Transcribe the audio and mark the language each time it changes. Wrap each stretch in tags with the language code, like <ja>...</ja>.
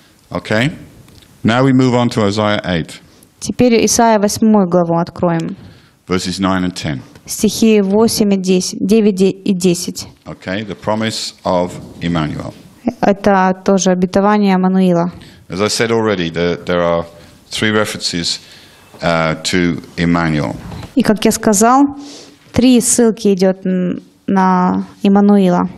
<en>Okay. Now we move on to Isaiah 8.</en> <ru>Теперь Исаия 8 главу откроем.</ru> <en>Verses 9 and 10.</en> <ru>Стихи 8 и 10, 9 и 10.</ru> <en>Okay. The promise of Emmanuel.</en> <ru>Это тоже обетование Эммануила.</ru> <en>As I said already, there are three references to Emmanuel.</en> <ru>И как я сказал, три ссылки идет на Эммануила.</ru>